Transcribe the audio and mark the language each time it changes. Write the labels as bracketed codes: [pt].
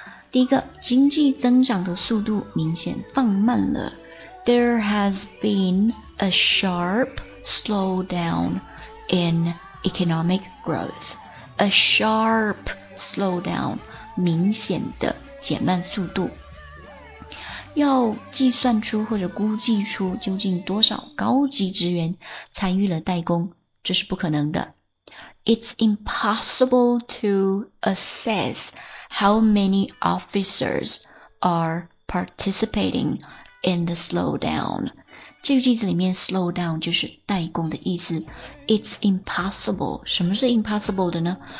[zh] 第一个，经济增长的速度明显放慢了。 [en] There has been a sharp slowdown in economic growth. A sharp slowdown, [zh] 明显的减慢速度。要计算出或者估计出究竟多少高级职员参与了代工，这是不可能的。 [en] It's impossible to assess how many officers are participating in the slowdown. [zh] 这个句子里面 slowdown 就是怠工的意思。 [en] It's impossible, [zh] 什么是 impossible 的呢？